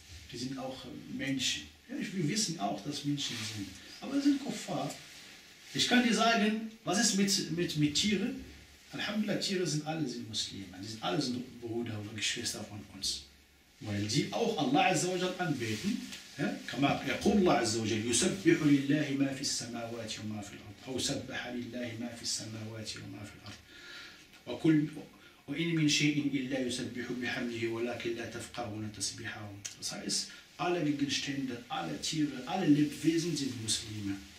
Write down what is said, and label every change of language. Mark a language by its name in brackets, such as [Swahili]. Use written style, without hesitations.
[German] Die sind auch Menschen. Ja, wir wissen auch, dass Menschen sind. Aber sie sind Kuffar. Ich kann dir sagen, was ist mit Tieren? Alhamdulillah, Tiere sind alle sind Muslime. Die sind alle sind Brüder oder Geschwister von uns. Weil sie auch Allah Azza wa Jalla anbeten. [Arabic] Ja? Kama yaqul Allah Azza wa Jalla yusabbihu lillahi ma fi samawati wa ma fi al-ard. أو سبح لله ما في السماوات وما في الأرض وكل وإن من شيء إلا يسبح بحمده ولكن لا تفقهون تسبيحهم. [German] Das heißt, alle Gegenstände, alle Tiere, alle Lebewesen sind Muslime.